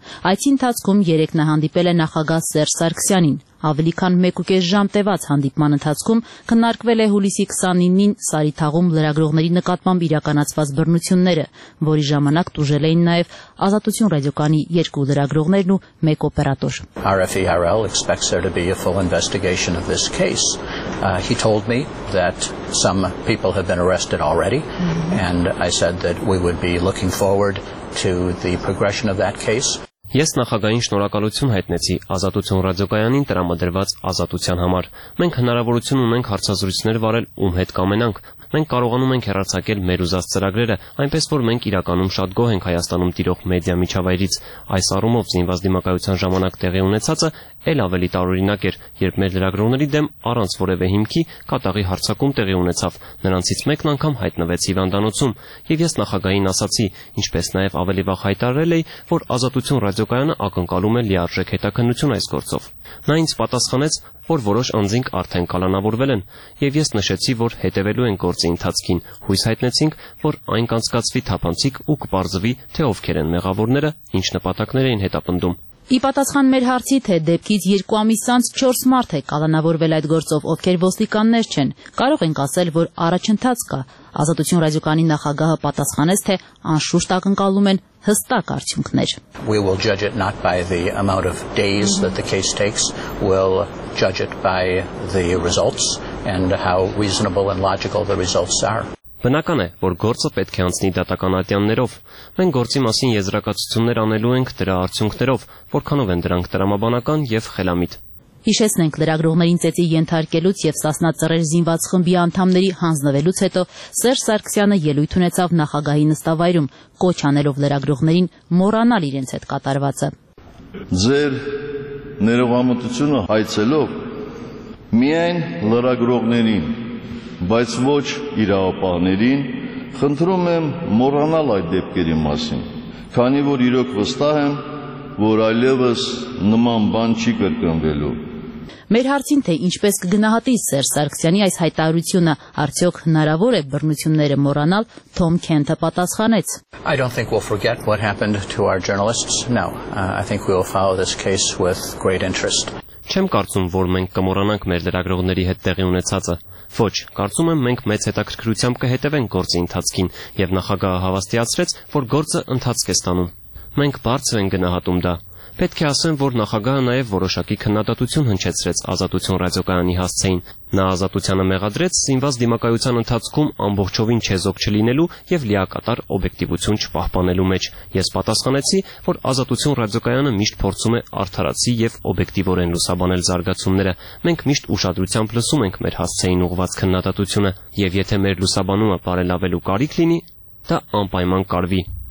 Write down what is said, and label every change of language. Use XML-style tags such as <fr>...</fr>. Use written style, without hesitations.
<hy>Այս ընթացքում երեկն հանդիպել է նախագահ Սերժ Սարգսյանին։ Ավելի քան 1.5 ժամ տևած հանդիպման ընթացքում քննարկվել է հուլիսի 29-ին Սարի թաղում լրագրողների նկատմամբ իրականացված բռնությունները, որի ժամանակ տուժել էին նաև Ազատություն ռադիոկանի երկու լրագրողներն ու մեկ օպերատոր։</hy> <en>RFERL expects there to be a full investigation of this case. He told me that some people have been arrested already and I said that we would be looking forward to the progression of that case.</en> <hy>Ես նախագահին շնորհակալություն հայտնեցի Ազատություն ռադիոկայանին տրամադրված ազատության համար։ Մենք հնարավորություն ունենք հարցազրույցներ վարել ում հետ կամենանք։ Մենք կարողանում ենք հեռարձակել մեր ուզած ծրագրերը, այնպես որ մենք իրականում շատ գոհ ենք Հայաստանում տիրող մեդիա միջավայրից։ Այս առումով զինված դիմակայության ժամանակ տեղի ունեցածը էլ ավելի տարօրինակ էր, երբ մեր լրագրողների դեմ առանց որևէ հիմքի կատաղի հարձակում տեղի ունեցավ, նրանցից մեկն անգամ հայտնվեց հիվանդանոցում, և ես նախագահին ասացի, ինչպես նաև ավելի վաղ հայտարարել էի, որ Ազատություն ռադիոկայանը ակնկալում է լիարժեք հետաքննություն այս գործով։ Նա ինձ պատասխանեց, որ որոշ անձինք արդեն կալանավորվել են, և ես նշեցի, որ հետևելու են գործի ընթացքին, հույս հայտնեցինք, որ այն կանցկացվի թափանցիկ ու կպարզվի, թե ովքեր են մեղավորները, ինչ նպատակներ էին հետապնդում։ Ի պատասխան մեր հարցի, թե դեպքից երկու ամիս անց 4 մարդ է կալանավորվել այդ գործով, ովքեր ոստիկաններ չեն, կարող ենք ասել, որ առաջընթաց կա, Ազատություն ռադիոկանի նախագահը պատասխանեց, թե անշուշտ ակնկալում են հստակ արդյունքներ։</hy> <en>We will judge it not by the amount of days that the case takes, we'll judge it by the results and how reasonable and logical the results are.</en> <hy>Բնական է, որ գործը պետք է անցնի դատական ատյաններով։ Մենք գործի մասին եզրակացություններ անելու ենք դրա արդյունքներով, որքանով են դրանք տրամաբանական և խելամիտ։ Հիշեցնենք, լրագրողներին ծեցի ենթարկելուց և Սասնած Ծռեր զինված խմբի անդամների հանձնվելուց հետո Սերժ Սարգսյանը ելույթ ունեցավ նախագահի նստավայրում, կոչ անելով լրագրողներին մոռանալ իրենց հետ կատարվածը։ Ձեր ներողամտությունը հայցելով միայն լրագրողներին, բայց ոչ իրավապահներին, խնդրում եմ մոռանալ այդ դեպքերի մասին, քանի որ իրոք վստահ եմ, որ այլևս նման բան չի կրկնվելու։ Մեր հարցին, թե ինչպես կգնահատի Սերժ Սարգսյանի այս հայտարարությունը, արդյոք հնարավոր է բռնությունները մոռանալ, Թոմ Քենթը պատասխանեց.</hy> <en>I don't think we'll forget what happened to our journalists. No, I think we'll follow this case with great interest.</en> <hy>Չեմ կարծում, որ մենք կմոռանանք մեր լրագրողների հետ տեղի ունեցածը։ Ոչ, կարծում եմ, մենք մեծ հետաքրքրությամբ կհետևենք գործի ընթացքին, և նախագահը հավաստիացրեց, որ գործը ընթացք է ստանում։ Մենք բարձր են գնահատում դա։ Պետք է ասեմ, որ նախագահը նաև որոշակի քննադատություն հնչեցրեց Ազատություն ռադիոկայանի հասցեին։ Նա ազատությանը մեղադրեց զինված դիմակայության ընթացքում ամբողջովին չեզոք չլինելու և լիակատար օբյեկտիվություն չպահպանելու մեջ։ Ես պատասխանեցի, որ Ազատություն ռադիոկայանը միշտ փորձում է արդարացի և օբյեկտիվորեն լուսաբանել զարգացումները։ Մենք միշտ ուշադրությամբ լսում ենք մեր հասցեին ուղված քննադատությունը, և եթե մեր լուսաբանումը բարելավելու կարիք լինի, դա անպայման կարվի։</hy>